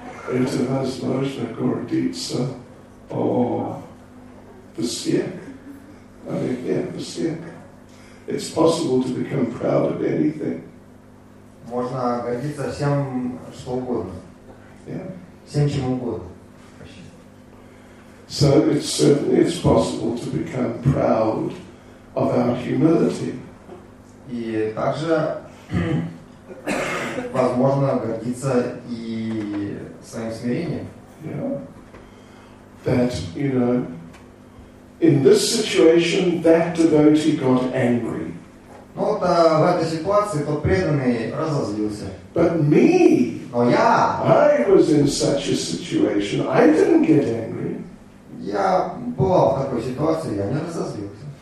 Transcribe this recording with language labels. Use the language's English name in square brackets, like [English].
[Russian] Это возможно гордиться о всех. [English] I mean, yeah, всех. It's possible to become proud of anything. [Russian] Можно гордиться всем, что угодно. [English] Yeah. [Russian] Всем, чем угодно. [English] So it's certainly it's possible to become proud of our humility. [Russian] И также возможно гордиться и своим смирением. [English] Yeah. That, you know, in this situation that devotee got angry. [Russian] Ну вот в этой ситуации тот преданный разозлился. [English] But me, [Russian] но я, [English] I was in such a situation, I didn't get angry. [Russian] Я бывал в такой ситуации, я не разозлился.